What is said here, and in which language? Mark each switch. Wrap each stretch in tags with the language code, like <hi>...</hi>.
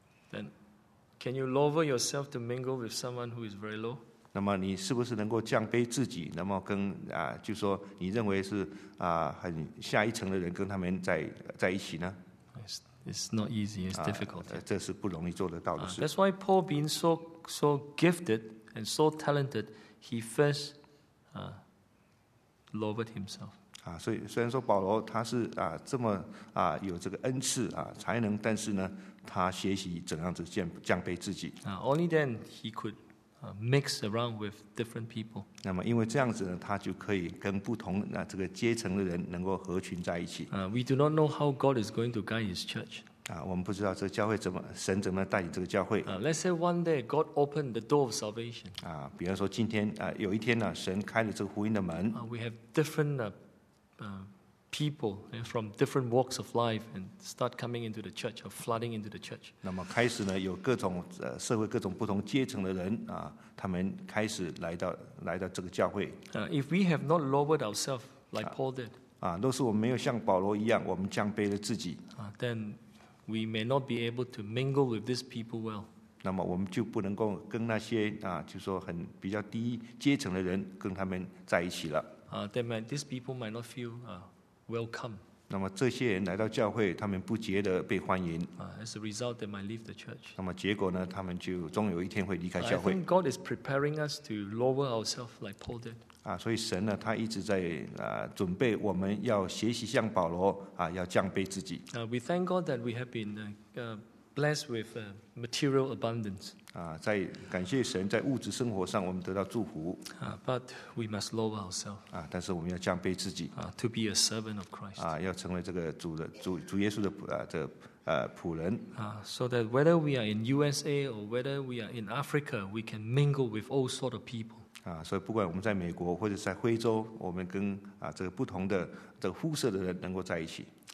<en>then can you lower yourself to mingle with someone who is very low?</en> <zh>那么你是不是能够降卑自己，那么跟就说你认为是很下一层的人跟他们在一起呢？</zh> <en>It's not easy. It's difficult.</en> <zh>这是不容易做得到的事。</zh> <en>That's why Paul, being so gifted and so talented, he first lowered himself.</en> <zh>所以虽然说保罗他是这么有这个恩赐才能，但是呢，他学习怎样子降卑自己。</zh> <en>Only then he could mix around with different people.</en> <zh>那么因为这样子呢，他就可以跟不同这个阶层的人能够合群在一起。</zh> <en>We do not know how God is going to guide His church.</en> <zh>我们不知道这个教会怎么神怎么带领这个教会。</zh> <en>Let's say one day God opened the door of salvation.</en> <zh>比方说今天有一天呢，神开了这个福音的门。</zh> <en>We have different people from different walks of life and start coming into the church or flooding into the church.</en> <zh>那么开始呢，有各种社会各种不同阶层的人他们开始来到这个教会。</zh> <en>If we have not lowered ourselves like Paul did.</en> <zh>若是我们没有像保罗一样，我们降卑了自己。</zh> <en>Then we may not be able to mingle with these people well.</en> <zh>那么我们就不能够跟那些就说很比较低阶层的人跟他们在一起了。</zh> <en>Then these people might not feel welcome.</en> <zh>那么这些人来到教会，他们不觉得被欢迎。</zh> <en>As a result, they might leave the church.</en> <zh>那么结果呢？他们就终有一天会离开教会。</zh> <en>I think God is preparing us to lower ourselves like Paul did.</en> <zh>所以神呢，他一直在准备我们要学习像保罗要降卑自己。</zh> <en>We thank God that we have been blessed with material abundance.</en> <zh>在感谢神，在物质生活上我们得到祝福。</zh> <en>But we must lower ourselves.</en> <zh>但是我们要降卑自己。</zh> <en>To be a servant of Christ.</en> <zh>要成为这个主耶稣的仆人。</zh> <en>So that whether we are in USA or whether we are in Africa, we can mingle with all sort of people.</en> <zh>所以不管我们在美国或者在非洲，我们跟这个不同的这个肤色的人能够在一起。</zh>